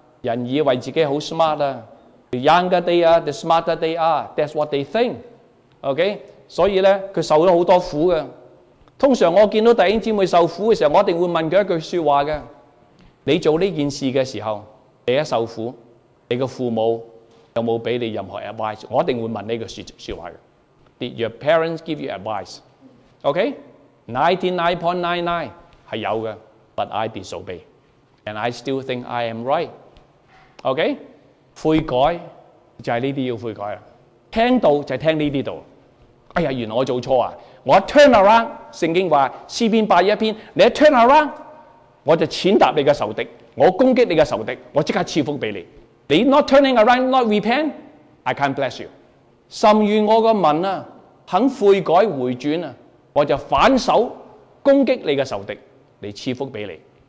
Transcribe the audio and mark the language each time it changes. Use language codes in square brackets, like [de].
[yue] 人以為自己好 [en] smart 啊 ，the younger they are, the smarter they are. That's what they think. OK？ [yue] 所以咧，佢受咗好多苦嘅。通常我見到弟兄姊妹受苦嘅時候，我一定會問佢一句説話嘅。你做呢件事嘅時候，你一受苦，你個父母有冇俾你任何 advice？我一定會問呢個説話嘅。 [en] Did your parents give you advice？OK？99.99 [yue] 係有嘅 [en] ，but I disobey and I still think I am right。OK？ [yue] 悔改就係呢啲要悔改啦。聽到就係聽呢啲度。哎呀，原來我做錯啊！我一 turn around， 聖經話詩篇八一篇，你一 turn around， 我就踐踏你嘅仇敵，我攻擊你嘅仇敵，我即刻賜福俾你。你 [en] not turning around， not repent， I can't bless you。 [yue] 甚願我個民啊，肯悔改回轉啊，我就反手攻擊你嘅仇敵，嚟賜福俾你。